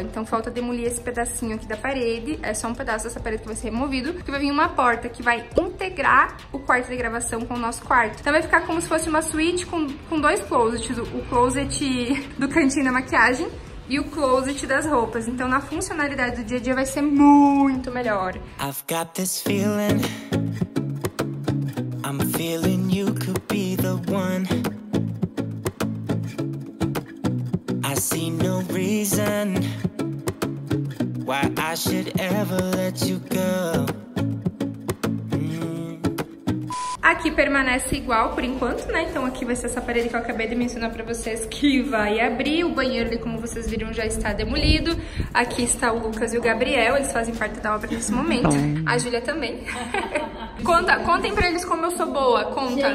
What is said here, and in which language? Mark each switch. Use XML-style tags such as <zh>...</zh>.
<pt>Então, falta demolir esse pedacinho aqui da parede. É só um pedaço dessa parede que vai ser removido. Porque vai vir uma porta que vai integrar o quarto de gravação com o nosso quarto. Então, vai ficar como se fosse uma suíte com dois closets. O closet do cantinho da maquiagem e o closet das roupas. Então na funcionalidade do dia a dia vai ser muito melhor.</pt> <en>I've got this feeling, I'm feeling you could be the one. I see no reason why I should ever let you go.</en> <pt>Aqui permanece igual por enquanto, né? Então aqui vai ser essa parede que eu acabei de mencionar pra vocês, que vai abrir. O banheiro ali, como vocês viram, já está demolido. Aqui está o Lucas e o Gabriel, eles fazem parte da obra nesse momento. A Júlia também. Contem pra eles como eu sou boa, conta.</pt>